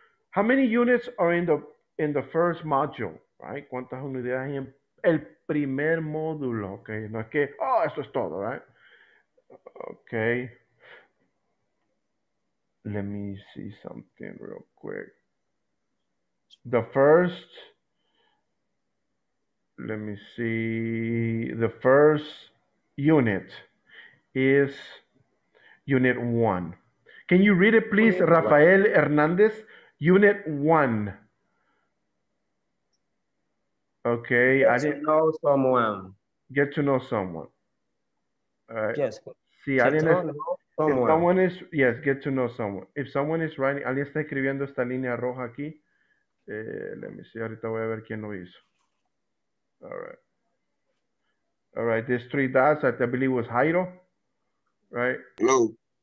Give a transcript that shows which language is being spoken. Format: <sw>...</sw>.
<en>How many units are in the first module, right?</en> <es>Cuántas unidades hay en el primer módulo, okay? No es que, oh, esto es todo, right? Okay.</es> <en>Let me see something real quick. The first, let me see, the first unit is unit one. Can you read it, please, Rafael Hernandez? Unit one. Okay. Get to know someone. Get to know someone. Yes. See, I didn't know someone. If someone is, yes, get to know someone. If someone is writing,</en> <es>alguien está escribiendo esta línea roja aquí.</es> <en>Let me see.</en> <es>Ahorita voy a ver quién lo hizo. All right. All right.</es> <en>These three dots, I believe, was Jairo. Right? Hello.</en>